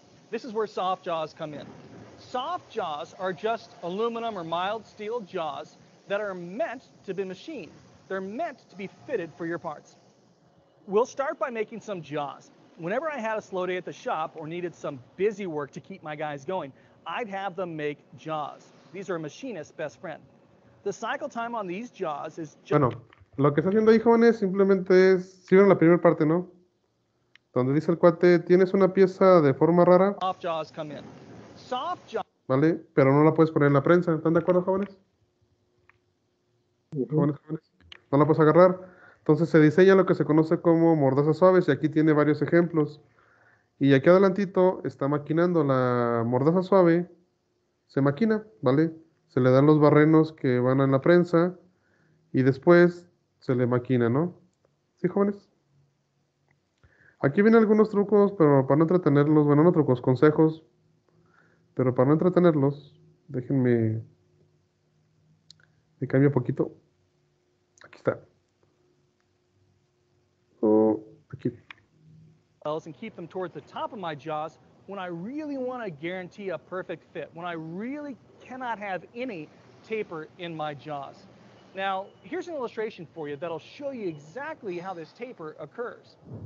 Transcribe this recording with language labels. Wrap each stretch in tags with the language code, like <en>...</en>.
<en>This is where soft jaws come in. Soft jaws are just aluminum or mild steel jaws that are meant to be machined. They're meant to be fitted for your parts. We'll start by making some jaws. Whenever I had a slow day at the shop or needed some busy work to keep my guys going, I'd have them make jaws. These are a machinist's best friend. The cycle time on these jaws is just...</en> <es>Bueno, lo que está haciendo ahí, jóvenes, simplemente es... Si vieron la primera parte, ¿no? Donde dice el cuate, ¿tienes una pieza de forma rara?</es> <en>Soft jaws come in.</en> <es>¿Vale? Pero no la puedes poner en la prensa. ¿Están de acuerdo, jóvenes? ¿Jóvenes, jóvenes? No la puedes agarrar. Entonces se diseña lo que se conoce como mordazas suaves y aquí tiene varios ejemplos. Y aquí adelantito está maquinando la mordaza suave. Se maquina, ¿vale? Se le dan los barrenos que van en la prensa y después se le maquina, ¿no? ¿Sí, jóvenes? Aquí vienen algunos trucos, pero para no entretenerlos, bueno, no trucos, consejos. Pero para no entretenerlos, déjenme, me cambio un poquito. Aquí está. Aquí.</es> <en>And keep them towards the top of my jaws when I really want to guarantee a perfect fit, when I really cannot have any taper in my jaws. Now, here's an illustration for you that'll show you exactly how this taper occurs.</en>